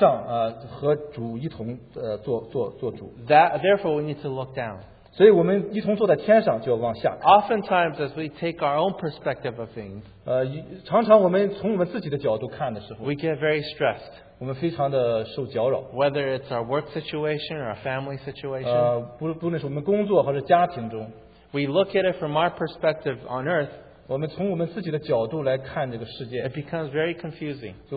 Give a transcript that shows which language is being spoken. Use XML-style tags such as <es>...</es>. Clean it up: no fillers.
<zh>因为我们应该是在天上和主一同做主。</zh> <en>That therefore we need to look down.</en> <zh>所以我们一同坐在天上就要往下看。</zh> <en>Oftentimes, as we take our own perspective of things,</en> <zh>常常我们从我们自己的角度看的时候，</zh> <en>we get very stressed. Whether it's our work situation or our family situation, we look at it from our perspective on earth, it becomes very confusing.</en>